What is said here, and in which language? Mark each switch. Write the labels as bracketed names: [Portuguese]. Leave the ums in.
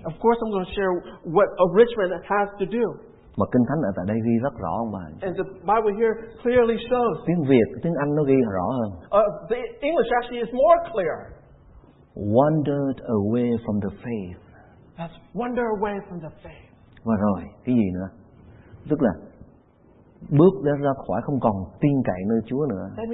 [English] Of course I'm going to share what a rich man has to do. [Vietnamese] Mà kinh thánh ở tại đây ghi rất rõ ông bạn. [English] And the Bible here clearly shows. [Vietnamese] Tiếng Việt, tiếng Anh nó ghi rõ hơn. [English] Uh, the English actually is more clear. Wandered away from the faith. That's wander away from the faith. [Vietnamese] Và rồi, cái gì nữa? Tức là bước đã ra khỏi không còn tin cậy nơi Chúa nữa.